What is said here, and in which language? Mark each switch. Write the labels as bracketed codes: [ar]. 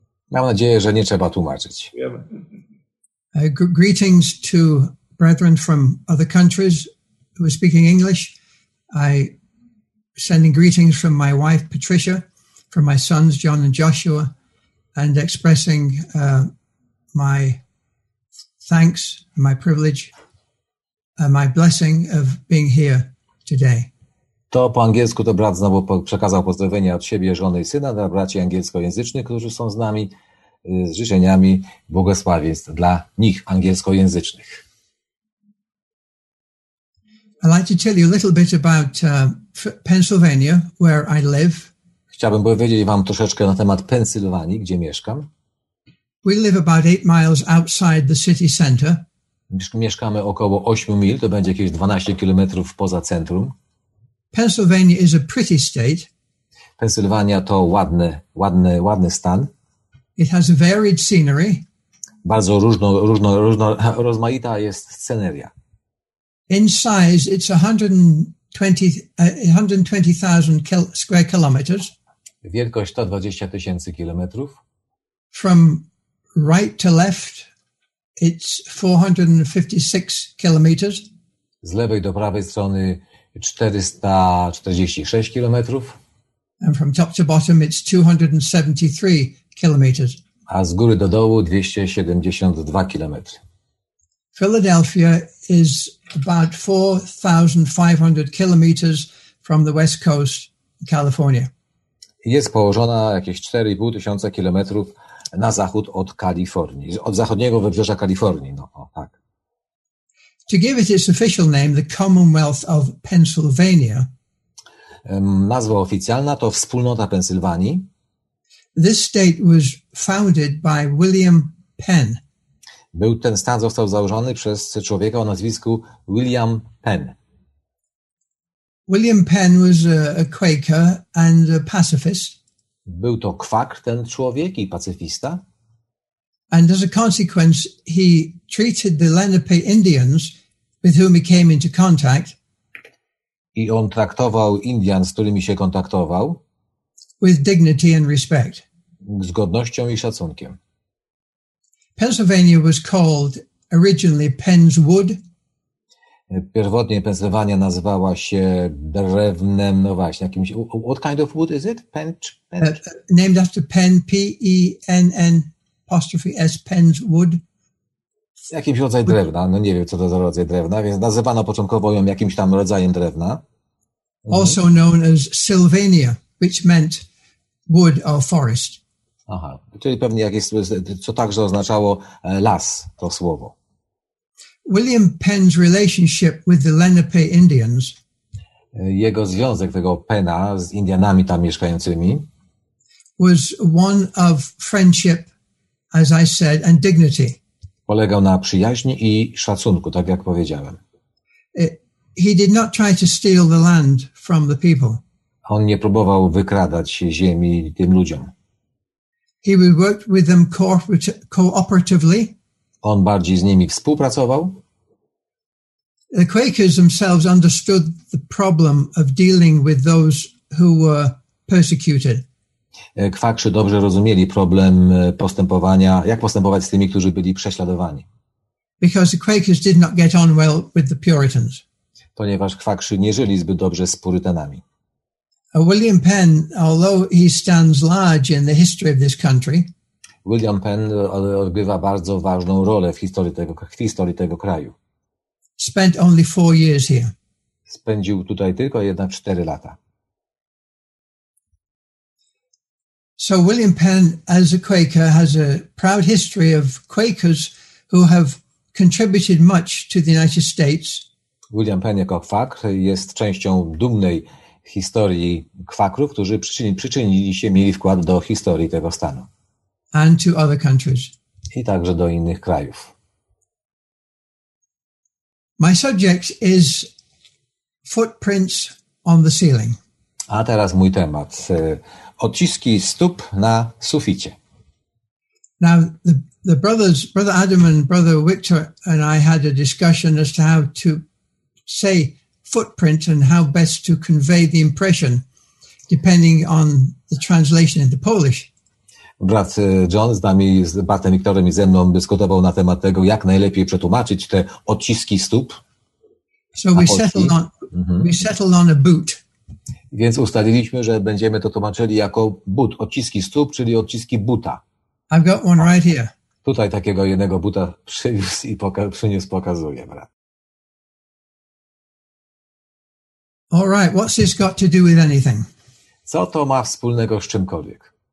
[pl] Mam nadzieję, że nie trzeba tłumaczyć. [en] Greetings to brethren from other countries who are speaking English. I sending greetings from my wife Patricia, from my sons John and Joshua, and expressing my thanks, my privilege, my blessing of being here today. [pl] To po angielsku to brat znowu przekazał pozdrowienia od siebie, żony i syna, dla braci angielskojęzycznych, którzy są z nami, z życzeniami błogosławieństw dla nich angielskojęzycznych. [en] I'd like to tell you a little bit about Pennsylvania, where I live. [pl] Chciałbym powiedzieć wam troszeczkę na temat Pensylwanii, gdzie mieszkam. [en] We live about 8 miles outside the city center. [pl] Mieszkamy około 8 mil, to będzie jakieś 12 kilometrów poza centrum. [en] Pennsylvania is a pretty state. [pl] Pensylwania to ładny stan. [en] It has varied scenery. [pl] Bardzo rozmaita jest sceneria. [en] In size, it's 120,000 square kilometers. [pl] Wielkość 120 tysięcy kilometrów. [en] From right to left, it's 456 kilometers. [pl] Z lewej do prawej strony 446 kilometrów. [en] And from top to bottom, it's 273 kilometers. [pl] A z góry do dołu 272 kilometry. [en] Philadelphia is about 4,500 kilometers from the west coast of California. [pl] Jest położona jakieś 4,5 tysiąca kilometrów na zachód od Kalifornii, od zachodniego wybrzeża Kalifornii. No, o, tak. [en] To give it its official name, the Commonwealth of Pennsylvania. [pl] Nazwa oficjalna to Wspólnota Pensylwanii. [en] This state was founded by William Penn. [pl] Był ten stan został założony przez człowieka o nazwisku William Penn. [en] William Penn was a Quaker and a pacifist. [pl] Był to kwakr ten człowiek i pacyfista. [en] And as a consequence, he treated the Lenape Indians with whom he came into contact. [pl] I on traktował Indian, z którymi się kontaktował, [en] with dignity and respect. [pl] Z godnością i szacunkiem. [en] Pennsylvania was called originally Penn's Wood. [pl] Pierwotnie Pensylwania nazywała się drewnem, no właśnie, jakimś, [en] what kind of wood is it? Pench? Named after Penn, P-E-N-N, apostrophe S, Penn's Wood. [pl] Jakimś rodzaj drewna, no nie wiem, co to za rodzaj drewna, więc nazywano początkowo ją jakimś tam rodzajem drewna. [en] Also known as Sylvania, which meant wood or forest. [pl] Aha, czyli pewnie jakieś, co także oznaczało las, to słowo. [en] William Penn's relationship with the Lenape Indians. [pl] Jego związek tego Penna z Indianami tam mieszkającymi. [en] Was one of friendship, as I said, and dignity. [pl] Polegał na przyjaźni i szacunku, tak jak powiedziałem. [en] He did not try to steal the land from the people. [pl] On nie próbował wykradać ziemi tym ludziom. [en] He worked with them cooperatively. [pl] On bardziej z nimi współpracował. [en] The Quakers themselves understood the problem of dealing with those who were persecuted. [pl] Kwakrzy dobrze rozumieli problem postępowania, jak postępować z tymi, którzy byli prześladowani. [en] Because the Quakers did not get on well with the Puritans. [pl] Ponieważ kwakrzy nie żyli zbyt dobrze z Purytanami. [en] William Penn, although he stands large in the history of this country, [pl] William Penn odgrywa bardzo ważną rolę w historii tego kraju. [en] Spent only 4 years here. [pl] Spędził tutaj tylko jednak 4 lata. [en] So William Penn, as a Quaker, has a proud history of Quakers who have contributed much to the United States. [pl] William Penn jako kwakr jest częścią dumnej historii kwakrów, którzy przyczynili się, mieli wkład do historii tego stanu. [en] And to other countries. [pl] I także do innych krajów. [en] My subject is footprints on the ceiling. [pl] A teraz mój temat. odciski stóp na suficie. [en] Now the brothers, brother Adam and brother Victor and I had a discussion as to how to say footprint and how best to convey the impression depending on the translation into Polish. [pl] Brat John z nami, z bratem Wiktorem i ze mną dyskutował na temat tego, jak najlepiej przetłumaczyć te odciski stóp. [en] So we settled on, we settled on a boot. [pl] Więc ustaliliśmy, że będziemy to tłumaczyli jako but, odciski stóp, czyli odciski buta. [en] I've got one right here. [pl] Tutaj takiego jednego buta przyniósł i przyniósł, pokazuję, brat. [en] All right, what's this got to do with anything? [pl] Co to ma wspólnego z czymkolwiek?